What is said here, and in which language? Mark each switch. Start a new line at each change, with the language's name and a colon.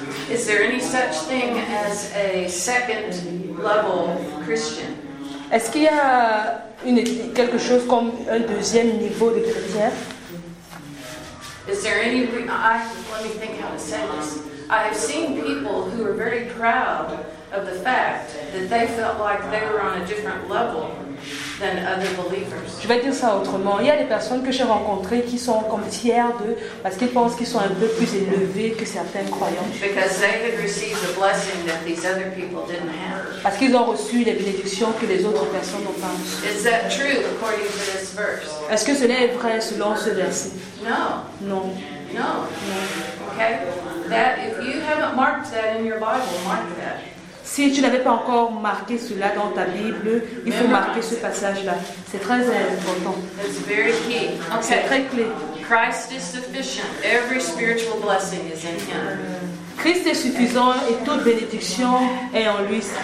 English: Is there any such thing as a second level Christian?
French: Est-ce qu'il y a quelque chose comme un deuxième niveau de chrétien?
English: Is there any? Let me think how to say this. I have seen people who are very proud of the fact that they felt like they were on a different level than other believers.
French: Je vais dire ça autrement. Il y a des personnes que j'ai rencontrées qui sont comme fiers d'eux parce qu'ils pensent qu'ils sont un peu plus élevés que certains croyants.
English: Because they had received a blessing that these other people didn't have.
French: Parce qu'ils ont reçu les bénédictions que les autres personnes n'ont pas.
English: Is that true according to this verse?
French: Est-ce que cela est vrai selon ce verset?
English: No.
French: Non.
English: No.
French: Non.
English: Okay. That if you haven't marked that in your Bible, mark that.
French: Si tu n'avais pas encore marqué cela dans ta Bible, il faut marquer ce passage-là. C'est très important.
English: It's very key.
French: Okay. C'est très clé.
English: Christ is sufficient. Every spiritual blessing is in Him.
French: Christ est suffisant et toute bénédiction est en lui.